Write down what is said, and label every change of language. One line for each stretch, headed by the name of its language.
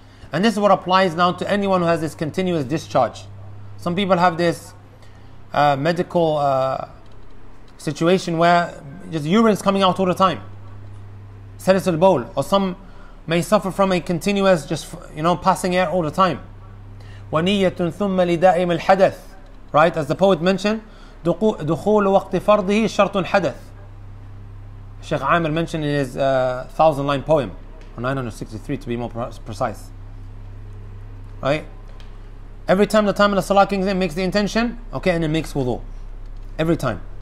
English: And this is what applies now to anyone who has this continuous discharge. Some people have this medical situation where just urine is coming out all the time. Salas al-bowl. Or some may suffer from a continuous, just, you know, passing air all the time.
Arabic: وَنِيَّةٌ ثُمَّ لِدَائِمِ الْحَدَثِ.
English: Right? As the poet mentioned,
Arabic: دُخُولُ وَقْتِ فَرْضِهِ شَرْطٌ حَدَثِ.
English: Sheikh Amir mentioned in his 1,000-line poem, or 963 to be more precise. Right? Every time the time of the salah kicks in, makes the intention, okay, and it makes wudu. Every time.